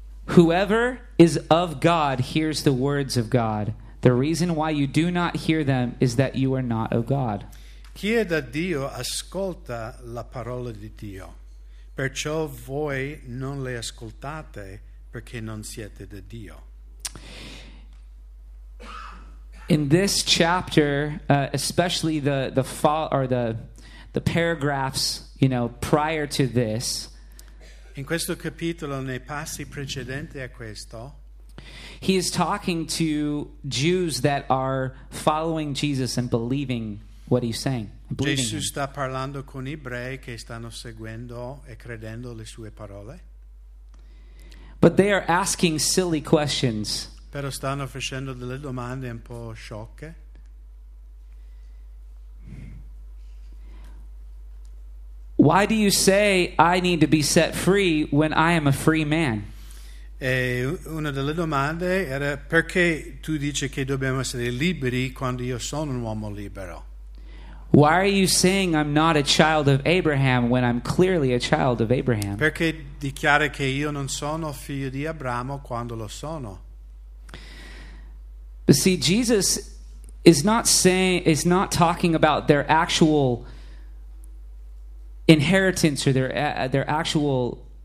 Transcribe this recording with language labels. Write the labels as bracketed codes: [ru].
[en] Whoever is of God hears the words of God. The reason why you do not hear them is that you are not of God. [it] Chi è da Dio ascolta la parola di Dio. Perciò voi non le ascoltate perché non siete da Dio. [en] In this chapter, especially the paragraphs, you know, prior to this, [it] in questo capitolo, nei passi precedenti a questo, [en] he is talking to Jews that are following Jesus and believing what he's saying. [it] Gesù sta parlando con ebrei che stanno seguendo e credendo le sue parole. [en] But they are asking silly questions. [it] Però stanno facendo delle domande un po' sciocche. [en] Why do you say I need to be set free when I am a free man? [it] E una delle domande era perché tu dici che dobbiamo essere liberi quando io sono un uomo libero? [en] Why are you saying I'm not a child of Abraham when I'm clearly a child of Abraham? [it] Perché dichiara che io non sono figlio di Abramo quando lo sono? [en] But see, Jesus is not talking about their actual inheritance or their actual